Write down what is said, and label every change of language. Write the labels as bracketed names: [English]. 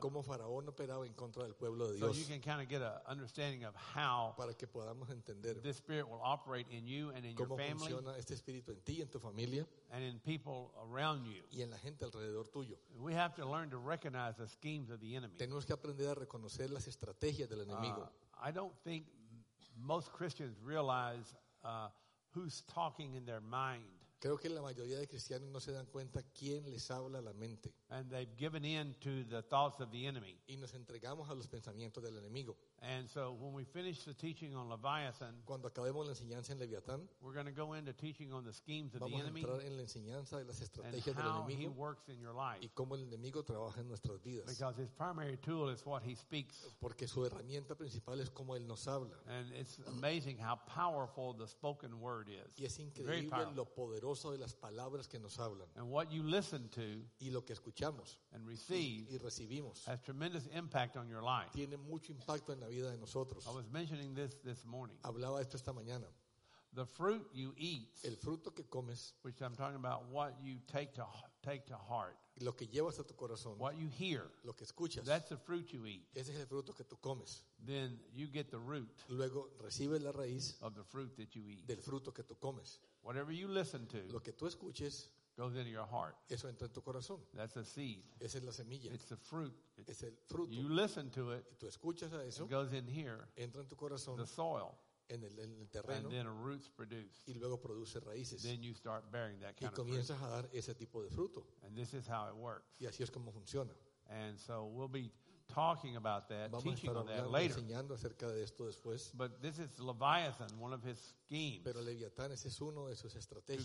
[Spanish] Y cómo Faraón operaba en contra del pueblo de Dios. [English] So you can kind of get an understanding of how. [Spanish] Para que podamos entender. [English] This spirit will operate in you and in your family. [Spanish] Cómo funciona este espíritu en ti y en tu familia. [English] And in people around you. [Spanish] Y en la gente alrededor tuyo. [English] We have to learn to recognize the schemes of the enemy. [Spanish] Tenemos que aprender a reconocer las estrategias del enemigo. [English] I don't think most Christians realize who's talking in their mind. [Spanish] Creo que la mayoría de cristianos no se dan cuenta quién les habla a la mente. [English] And they've given in to the thoughts of the enemy. [Spanish] Y nos entregamos a los pensamientos del enemigo. [English] And so when we finish the teaching on Leviathan, [Spanish] cuando acabemos la enseñanza en Leviatán, [English] we're going to go into teaching on the schemes of the enemy. [Spanish] Vamos a entrar en la enseñanza de las estrategias del enemigo. [English] And how he works in your life. [Spanish] Y cómo el enemigo trabaja en nuestras vidas. [English] Because his primary tool is what he speaks. [Spanish] Porque su herramienta principal es cómo él nos habla. [English] And it's amazing how powerful the spoken word is. [Spanish] Y es increíble lo poderoso de las palabras que nos hablan. [English] And what you listen to, [Spanish] y lo que escuchamos, [English] and receive, [Spanish] y recibimos, [English] has tremendous impact on your life. [Spanish] Tiene mucho impacto en la vida de nosotros. [English] I was mentioning this morning. [Spanish] Hablaba esto esta mañana. [English] The fruit you eat, [Spanish] el fruto que comes, [English] which I'm talking about, what you take to heart, [Spanish] lo que llevas a tu corazón, [English] what you hear, [Spanish] lo que escuchas, [English] that's the fruit you eat. [Spanish] Ese es el fruto que tú comes. [English] Then you get the root. [Spanish] Luego recibes la raíz [English] of the fruit that you eat. [Spanish] Del fruto que tú comes. [English] Whatever you listen to, [Spanish] lo que tú escuches, [English] goes into your heart. [Spanish] Eso entra en tu corazón. [English] That's a seed. [Spanish] Esa es la semilla. [English] It's the fruit. [Spanish] Es el fruto. [English] You listen to it. [Spanish] Y tú escuchas a eso. [English] It goes in here. [Spanish] Entra en tu corazón. [English] The soil. [Spanish] En el terreno. [English] And then roots produce. [Spanish] Y luego produce raíces. [English] Then you start bearing that kind of fruit. [Spanish] Y comienzas a dar ese tipo de fruto. [English] And this is how it works. [Spanish] Y así es como funciona. [English] And so we'll be talking about that, [Spanish] vamos [English] teaching [Spanish] hablando, [English] on that later. [Spanish] Enseñando acerca de esto después. [English] But this is Leviathan, one of his schemes. [Spanish] Pero Leviatán, ese es uno de sus estrategias.